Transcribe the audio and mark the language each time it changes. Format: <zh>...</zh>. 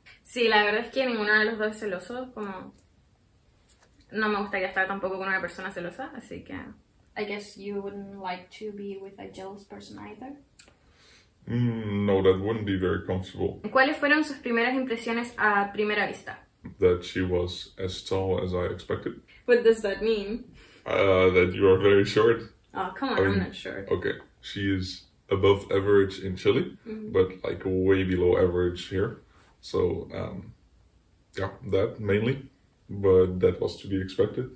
<es>Sí, la verdad es que ninguno de los dos es celoso, como... No me gustaría estar tampoco con una persona celosa, así que...</es> <en>I guess you wouldn't like to be with a jealous person either? No, that wouldn't be very comfortable.</en> <es>¿Cuáles fueron sus primeras impresiones a primera vista?</es> <en>That she was as tall as I expected. What does that mean? That you are very short. Oh, come on, I'm not short. Okay, she is above average in Chile, mm-hmm. but like way below average here. So, Yeah, that mainly, but that was to be expected.</en>